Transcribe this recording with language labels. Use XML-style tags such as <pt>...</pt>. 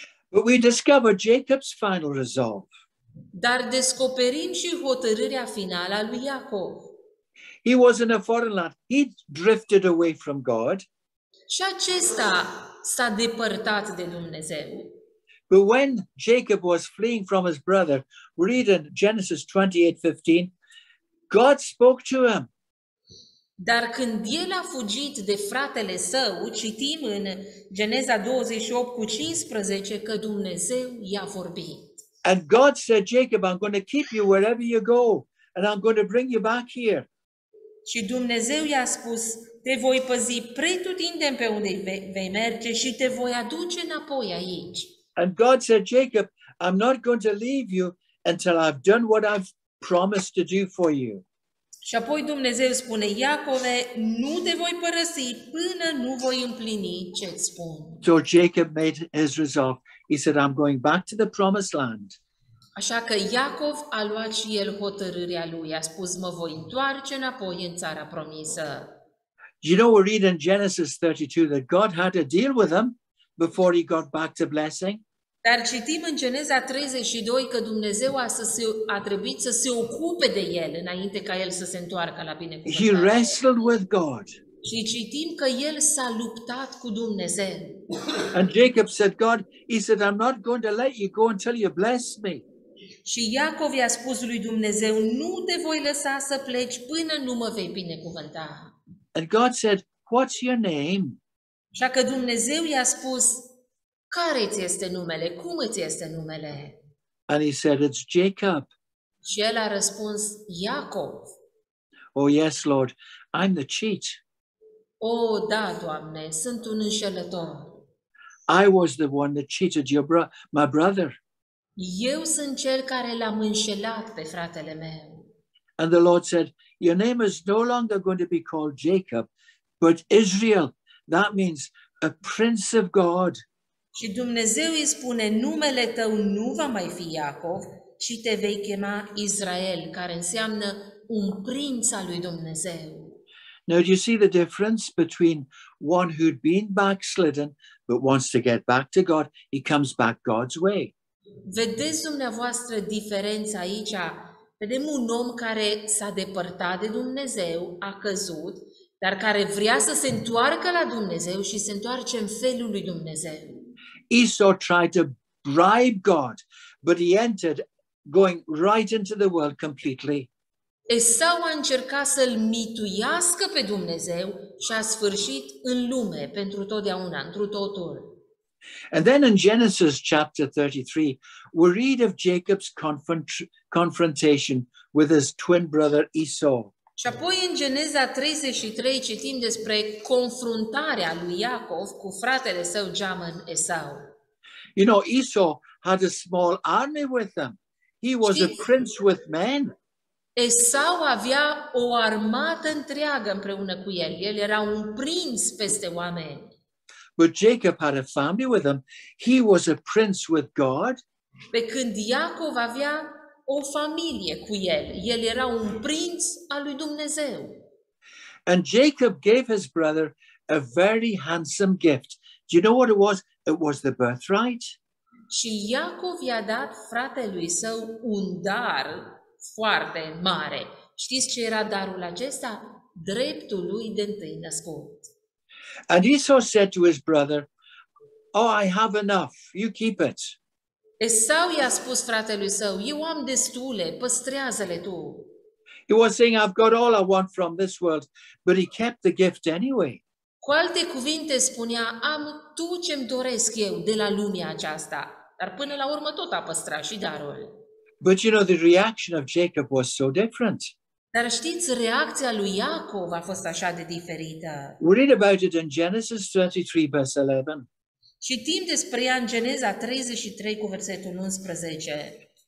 <en>But we discover Jacob's final resolve.</en> <ro>Dar descoperim și hotărârea finală a lui Iacov.</ro> <en>He was in a foreign land. He drifted away from God.</en> <ro>Și acesta s-a depărtat de Dumnezeu.</ro> <en>But when Jacob was fleeing from his brother, read in Genesis 28:15, God spoke to him.</en> <ro>Dar când el a fugit de fratele său, citim în Geneza 28:15 că Dumnezeu i-a vorbit.</ro> <en>And God said, Jacob, I'm going to keep you wherever you go, and I'm going to bring you back here.</en> <ro>Și Dumnezeu i-a spus, te voi păzi pretutindeni pe unde vei merge și te voi aduce înapoi aici.</ro> <en>And God said, Jacob, I'm not going to leave you until I've done what I've promised to do for you.</en> <ro>Și apoi Dumnezeu spune, Iacove, nu te voi părăsi până nu voi împlini ce îți spun.</ro> <en>So Jacob made his resolve. He said, I'm going back to the promised land.</en> <ro>Așa că Iacov a luat și el hotărârea lui. A spus, mă voi întoarce înapoi în țara promisă.</ro> <en>You know, we read in Genesis 32 that God had to deal with him before he got back to blessing.</en> <ro>Dar citim în Geneza 32 că Dumnezeu a trebuit să se ocupe de el înainte ca el să se întoarcă la binecuvântare.</ro> <en>He wrestled with God.</en> <ro>Și citim că el s-a luptat cu Dumnezeu.</ro> <en>And Jacob said, God, he said, I'm not going to let you go until you bless me.</en> <ro>Și Iacov i-a spus lui Dumnezeu, nu te voi lăsa să pleci până nu mă vei binecuvânta.</ro> <en>And God said, what's your name?</en> <ro>Așa că Dumnezeu i-a spus, care ți este numele? Cum îți este numele?</ro> <en>And he said, it's Jacob.</en> <ro>Și el a răspuns, Iacov.</ro> <en>Oh, yes, Lord, I'm the cheat.</en> <ro>Oh, da, Doamne, sunt un înșelător.</ro> <en>I was the one that cheated my brother.</en> <ro>Eu sunt cel care l-am înșelat pe fratele meu.</ro> <en>And the Lord said, your name is no longer going to be called Jacob, but Israel. That means a prince of God.</en> <ro>Și Dumnezeu îi spune, numele tău nu va mai fi Iacov, ci te vei chema Israel, care înseamnă un prinț al lui Dumnezeu.</ro> <en>Now, do you see the difference between one who'd been backslidden but wants to get back to God? He comes back God's way.</en> <ro>Vedeți dumneavoastră diferența aici? Vedem un om care s-a depărtat de Dumnezeu, a căzut, dar care vrea să se întoarcă la Dumnezeu și se întoarce în felul lui Dumnezeu.</ro> <en>Esau tried to bribe God, but he entered going right into the world completely.</en> <ro>Esau a încercat să-l mituiască pe Dumnezeu și a sfârșit în lume pentru totdeauna, întru totul.</ro> <en>And then in Genesis chapter 33, we read of Jacob's confrontation with his twin brother Esau.</en> <ro>Și apoi în Geneza 33 citim despre confruntarea lui Iacov cu fratele său geamăn Esau.</ro> <en>You know, Esau had a small army with him. He was a prince with men.</en> <ro>Esau avea o armată întreagă împreună cu el. El era un prinț peste oameni.</ro> <en>But Jacob had a family with him. He was a prince with God.</en> <ro>Pe când Iacov avea o familie cu el. El era un prinț al lui Dumnezeu.</ro> <en>And Jacob gave his brother a very handsome gift. Do you know what it was? It was the birthright.</en> <ro>Și Iacov i-a dat fratelui său un dar foarte mare. Știți ce era darul acesta? Dreptul lui de întâi născut.</ro> <en>And Esau said to his brother, oh, I have enough, you keep it.</en> <ro>Esau i-a spus fratelui său, eu am destule, păstrează-le tu.</ro> <en>He was saying, I've got all I want from this world, but he kept the gift anyway.</en> <ro>Cu alte cuvinte spunea, am tot ce-mi doresc eu de la lumea aceasta, dar până la urmă tot a păstrat și darul.</ro> <en>But you know, the reaction of Jacob was so different.</en> <ro>Dar știți, reacția lui Iacov a fost așa de diferită.</ro> <en>We read about it in Genesis 33, verse 11.</en> <ro>Citim despre ea în Geneza 33, cu versetul 11.</ro>